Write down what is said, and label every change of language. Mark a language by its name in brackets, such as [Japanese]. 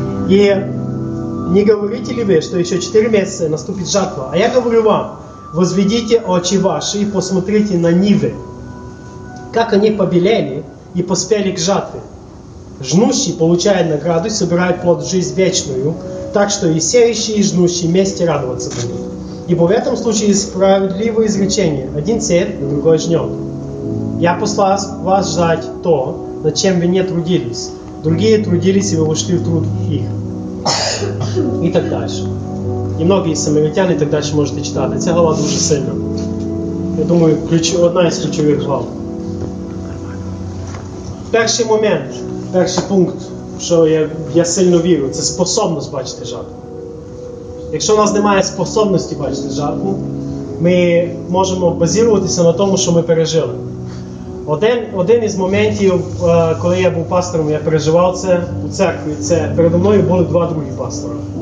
[Ukrainian] І не говорите ли ви, що ще 4 місяці наступить жатва? А я говорю вам, возведіть очі ваші і посмотрите на ниви, як вони побілели і поспіли к жатві. Жнущі получають награду і собирають плод в життя вічну, так що і сеючі, і жнущі вместе радуватися будуть. [Russian] Ибо в этом случае справедливое изречение. Один сеет, другой жнет. Я послал вас ждать то, над чем вы не трудились. Другие трудились, и вы вошли в труд их. И так дальше. И многие самаритяне так дальше можете читать. Эта глава [Ukrainian] дуже сильна. [Russian] Я думаю, одна из ключевых глав. [Ukrainian] Перший момент, перший пункт, що я сильно вірю, це способность бачити жатву. Якщо у нас немає способності бачити жатву, ми можемо базуватися на тому, що ми пережили. Один із моментів, коли я був пастором, я переживав це у церкві, це передо мною були два другі пастори.